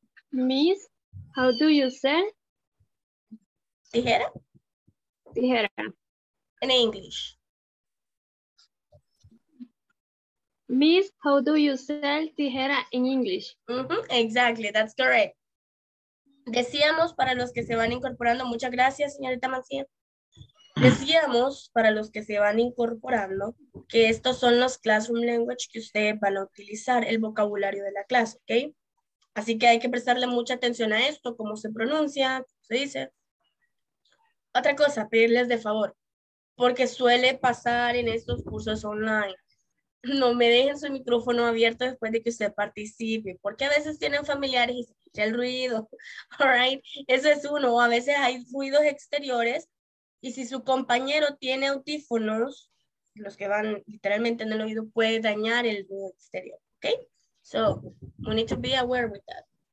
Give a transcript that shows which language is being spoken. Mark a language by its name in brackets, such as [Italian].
[English] Miss, how do you say? [Spanish] Tijera. Tijera. [English] In English. Miss, how do you say tijera in English? Mm-hmm. Exactly, that's correct. [Spanish] Decíamos para los que se van incorporando, muchas gracias, señorita Mancía. Decíamos para los que se van incorporando que estos son los classroom language que ustedes van a utilizar, el vocabulario de la clase, ¿ok? Así que hay que prestarle mucha atención a esto, cómo se pronuncia, cómo se dice. Otra cosa, pedirles de favor, porque suele pasar en estos cursos online. No me dejen su micrófono abierto después de que usted participe, porque a veces tienen familiares y se escucha el ruido, [English] all right? [Spanish] Eso es uno, o a veces hay ruidos exteriores, y si su compañero tiene audífonos, los que van literalmente en el oído, puede dañar el ruido exterior, ¿ok? [English] So, we need to be aware with that.